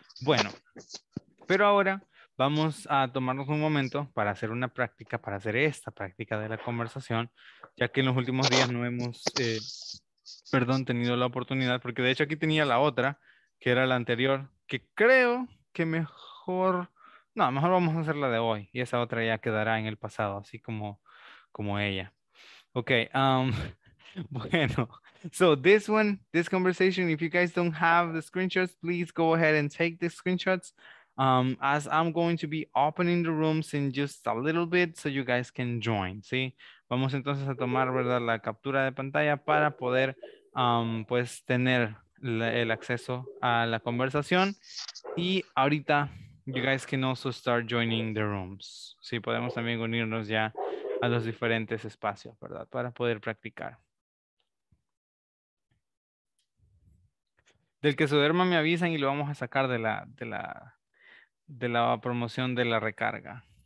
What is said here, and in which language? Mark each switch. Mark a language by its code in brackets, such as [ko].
[es] Bueno, pero ahora vamos a tomarnos un momento para hacer una práctica, para hacer esta práctica de la conversación, ya que en los últimos días no hemos, tenido la oportunidad, porque de hecho aquí tenía la otra, que era la anterior, que creo que mejor vamos a hacer la de hoy, y esa otra ya quedará en el pasado, así como ella. [en] Ok, bueno, so this one, this conversation, if you guys don't have the screenshots, please go ahead and take the screenshots. As I'm going to be opening the rooms in just a little bit so you guys can join, ¿sí? [es] Vamos entonces a tomar, ¿verdad?, la captura de pantalla para poder, pues, tener el acceso a la conversación. Y ahorita, [en] you guys can also start joining the rooms. [es] Sí, podemos también unirnos ya a los diferentes espacios, ¿verdad?, para poder practicar. Del que se duerma me avisan y lo vamos a sacar de la promoción de la recarga.